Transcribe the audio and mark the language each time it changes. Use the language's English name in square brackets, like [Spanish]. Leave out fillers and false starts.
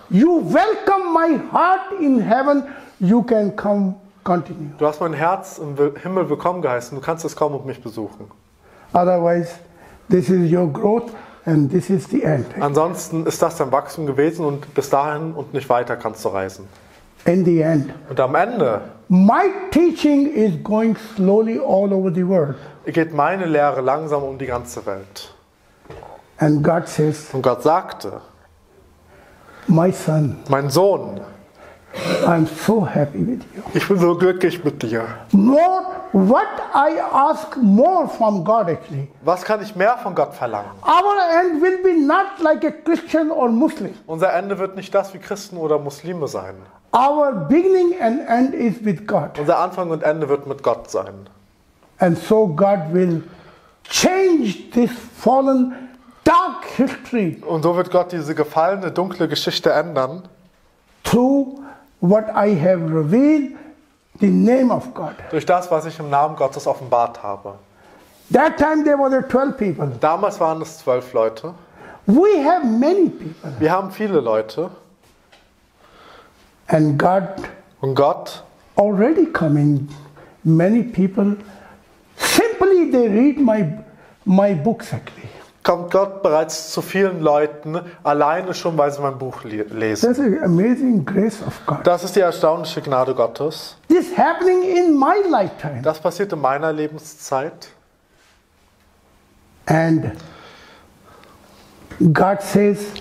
[English] you welcome my heart in heaven, you can come continue. [German] Du hast mein Herz im Himmel willkommen geheißen, du kannst es kommen und mich besuchen. [English] Otherwise, this is your growth and this is the end. [German] Ansonsten ist das dein Wachstum gewesen und bis dahin und nicht weiter kannst du reisen. [English] In the end. [German] Und am Ende. [English] My teaching is going slowly all over the world. [German] Geht meine Lehre langsam um die ganze Welt. [English] And God says, [German] und Gott sagte, [English] my son, [German] mein Sohn, [English] I'm so happy with you. [German] Ich bin so glücklich mit dir. [English] More, what I ask more from God actually. [German] Was kann ich mehr von Gott verlangen? [English] Our end will be not like a Christian or Muslim. [German] Unser Ende wird nicht das wie Christen oder Muslime sein. [English] Our beginning and end is with God. [German] Unser Anfang und Ende wird mit Gott sein. [English] And so God will change this fallen dark history. [German] Und so wird Gott diese gefallene dunkle Geschichte ändern. [English] Through what I have revealed, the name of God. [German] Durch das, was ich im Namen Gottes offenbart habe. [English] That time there were 12 people. [German] Damals waren es 12 Leute. [English] We have many people. [German] Wir haben viele Leute. [English] And God, [German] und Gott, [English] already coming, many people, simply they read my books actually. [German] Kommt Gott bereits zu vielen Leuten, alleine schon, weil sie mein Buch lesen. [English] That's an amazing grace of God. [German] Das ist die erstaunliche Gnade Gottes. [English] This happening in my lifetime. [German] Das passiert in meiner Lebenszeit. [English] And God says,